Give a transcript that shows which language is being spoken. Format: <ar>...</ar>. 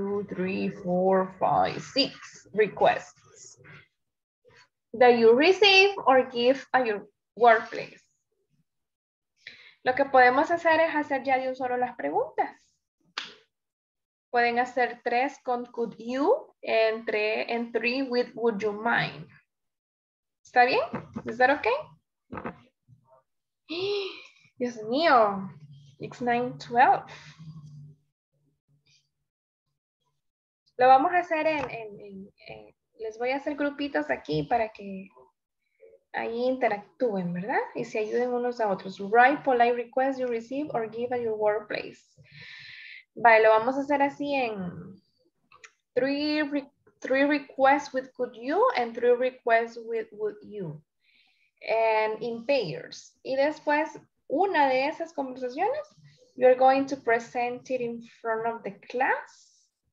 <en>1, 2, 3, 4, 5, 6 requests that you receive or give at your workplace.</en> <es>Lo que podemos hacer es hacer ya de un solo las preguntas. Pueden hacer 3 con could you</es> <en>and 3 with would you mind.</en> <es>¿Está bien? ¿Es</es> <en>that okay?</en> <es>Dios mío,</es> <en>it's 9:12.</en> <es>Lo vamos a hacer en les voy a hacer grupitos aquí para que ahí interactúen, ¿verdad? Y se ayuden unos a otros.</es> <en>Write polite requests you receive or give at your workplace.</en> <es>Vale, lo vamos a hacer así en</es> <en>three requests with could you and 3 requests with would you. And in pairs.</en> <es>Y después...</es> <en>una de esas conversaciones, you're going to present it in front of the class.</en>